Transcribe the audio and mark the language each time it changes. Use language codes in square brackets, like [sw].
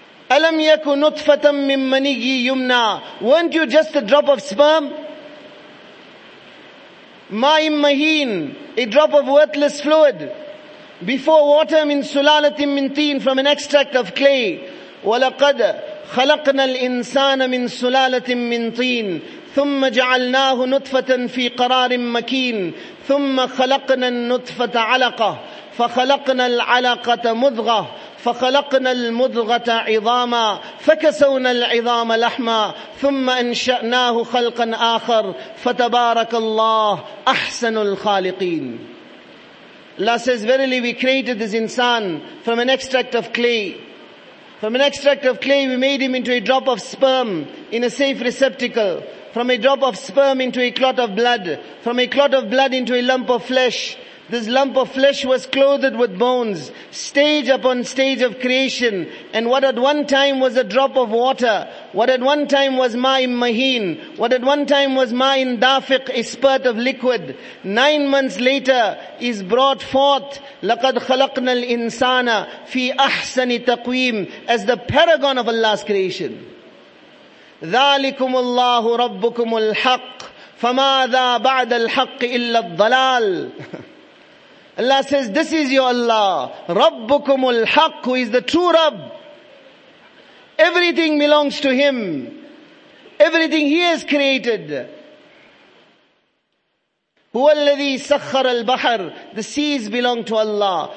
[ar] أَلَمْ يَكُ نُطْفَةً مِّن مَنِيِّ يُمْنَى. [en] Weren't you just a drop of sperm? [ar] مَاءٍ مَهِين, [en] a drop of worthless fluid. Before water, [ar] مِن سُلَالَةٍ مِّن تِين, [en] from an extract of clay. [ar] وَلَقَدْ خَلَقْنَا الْإِنسَانَ مِن سُلَالَةٍ مِّن تِين. ثم جعلناه نطفة في قرار مكين. ثم خلقنا النطفة علقة فخلقنا العلقة مضغة فخلقنا المضغة عظاما فكسونا العظام لحما ثم أنشأناه خلقا آخر فتبارك الله أحسن الخالقين. [en] Allah says, verily we created this insan from an extract of clay. From an extract of clay we made him into a drop of sperm in a safe receptacle. From a drop of sperm into a clot of blood. From a clot of blood into a lump of flesh. This lump of flesh was clothed with bones. Stage upon stage of creation. And what at one time was a drop of water. What at one time was ma'im maheen. What at one time was ma'im dafiq, a spurt of liquid. 9 months later is brought forth. [ar] لَقَدْ خَلَقْنَا الْإِنسَانَ فِي أَحْسَنِ تَقْوِيمٍ, [en] as the paragon of Allah's creation. [ar] ذلكم الله ربكم الحق فماذا بعد الحق إلا الضلال. [en] Allah says, this is your Allah, [ar] ربكم الحق, [en] who is the true Rabb. Everything belongs to Him. Everything He has created. [ar] هو الذي سخر البحر, [en] the seas belong to Allah.